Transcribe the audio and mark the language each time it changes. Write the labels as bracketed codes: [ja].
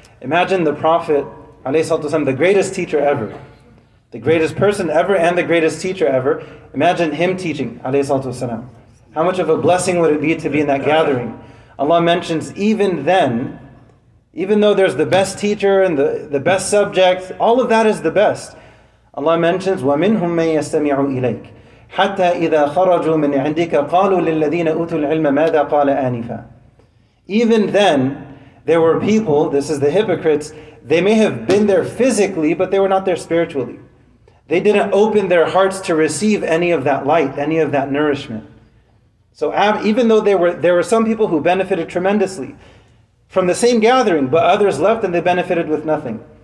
[en] Imagine the Prophet, alayhi salatu wasalam, the greatest teacher ever, the greatest person ever and the greatest teacher ever, imagine him teaching, alayhi salatu wasalam. How much of a blessing would it be to be in that gathering? Allah mentions, even then, even though there's the best teacher and the best subject, all of that is the best. Allah mentions, [ar] وَمِنْهُمْ مَنْ يَسْتَمِعُوا إِلَيْكَ حَتَّى إِذَا خَرَجُوا مِنْ عِنْدِكَ قَالُوا لِلَّذِينَ أُوتُوا الْعِلْمَ مَاذَا قَالَ آنِفًا. [en] Even then, there were people, this is the hypocrites, they may have been there physically, but they were not there spiritually. They didn't open their hearts to receive any of that light, any of that nourishment. So even though there were some people who benefited tremendously from the same gathering, but others left and they benefited with nothing.